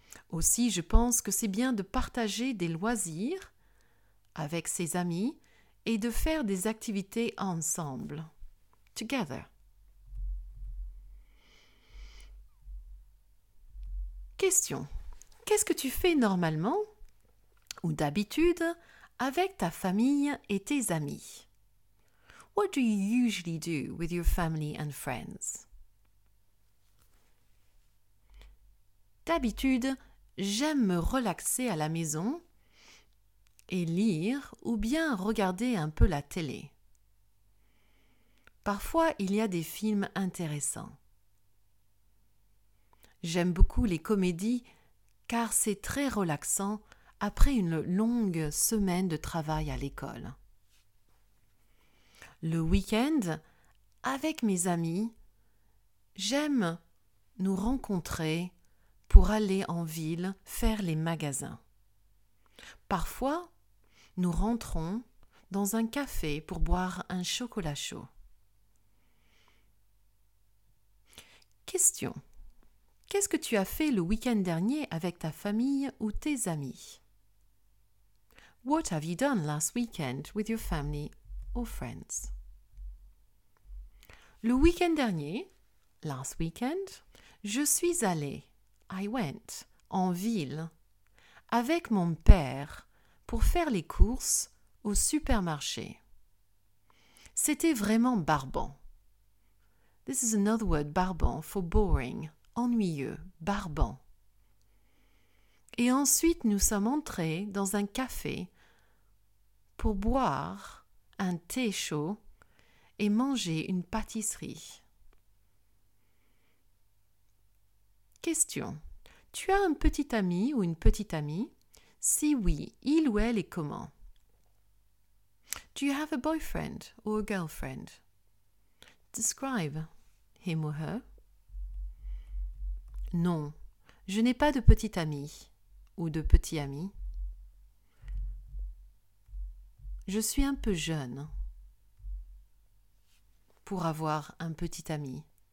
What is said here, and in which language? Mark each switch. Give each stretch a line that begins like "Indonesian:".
French: Aussi, je pense que c'est bien de partager des loisirs avec ses amis et de faire des activités ensemble.
English: Together.
French: Question. Qu'est-ce que tu fais normalement ou d'habitude avec ta famille et tes amis?
English: What do you usually do with your family and friends?
French: D'habitude, j'aime me relaxer à la maison et lire ou bien regarder un peu la télé. Parfois, il y a des films intéressants. J'aime beaucoup les comédies car c'est très relaxant après une longue semaine de travail à l'école. Le week-end, avec mes amis, j'aime nous rencontrer pour aller en ville faire les magasins. Parfois, nous rentrons dans un café pour boire un chocolat chaud. Question. Qu'est-ce que tu as fait le week-end dernier avec ta famille ou tes amis?
English: What have you done last weekend with your family or friends?
French: Le week-end dernier,
English: last weekend,
French: je suis allée.
English: I went
French: en ville avec mon père pour faire les courses au supermarché. C'était vraiment barbant.
English: This is another word, barbant, for boring,
French: ennuyeux,
English: barbant.
French: Et ensuite, nous sommes entrés dans un café pour boire un thé chaud et manger une pâtisserie. Question. Tu as un petit ami ou une petite amie? Si oui, il ou elle est comment?
English: Do you have a boyfriend or a girlfriend? Describe him or her.
French: Non, je n'ai pas de petit ami ou de petit ami. Je suis un peu jeune pour avoir un petit ami.